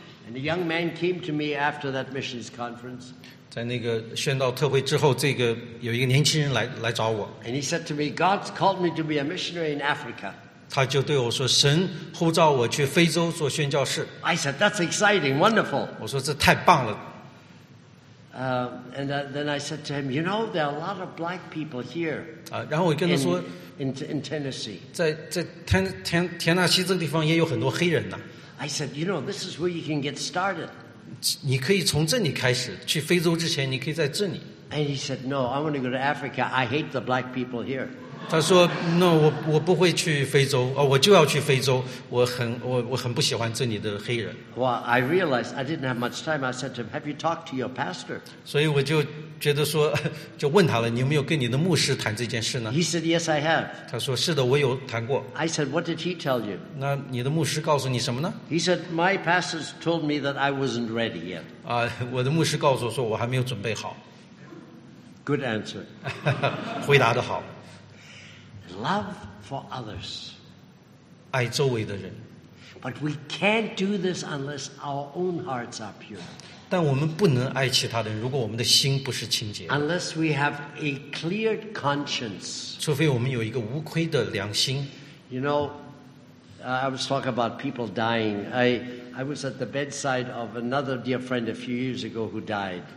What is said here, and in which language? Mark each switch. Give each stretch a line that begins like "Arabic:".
English: And a young man came to me after that missions conference.
Chinese: 在那个宣道特会之后，这个有一个年轻人来找我。
English: And he said to me, God's called me to be a missionary in Africa.
Chinese: 他就对我说，神呼召我去非洲做宣教士。
English: I said, that's exciting, wonderful.
Chinese: 我说这太棒了。
English: And then I said to him, you know, there are a lot of black people here.
Chinese: 然后我跟他说
English: in Tennessee.
Chinese: 在田纳西这个地方也有很多黑人呢。
English: I said, you know, this is where you can get started.
Chinese: 你可以从这里开始，去非洲之前你可以在这里。
English: And he said, no, I want to go to Africa. I hate the black people here.
Chinese: 他说 no, 我不会去非洲，我就要去非洲，我很不喜欢这里的黑人。
English: Well, I realized I didn't have much time. I said to him, have you talked to your pastor?
Chinese: 所以我就觉得说，就问他了，你有没有跟你的牧师谈这件事呢？
English: He said, yes, I have.
Chinese: 他说是的，我有谈过。
English: I said, what did he tell you?
Chinese: 那你的牧师告诉你什么呢？
English: He said, my pastor told me that I wasn't ready yet.
Chinese: 我的牧师告诉我说我还没有准备好。
English: Good answer.
Chinese: 回答得好。
English: Love for others.
Chinese: 爱周围的人。
English: But we can't do this unless our own hearts are pure.
Chinese: 但我们不能爱其他的人，如果我们的心不是清洁。
English: Unless we have a clear conscience.
Chinese: 除非我们有一个无愧的良心。
English: You know, I was talking about people dying. I was at the bedside of another dear friend a few years ago who died.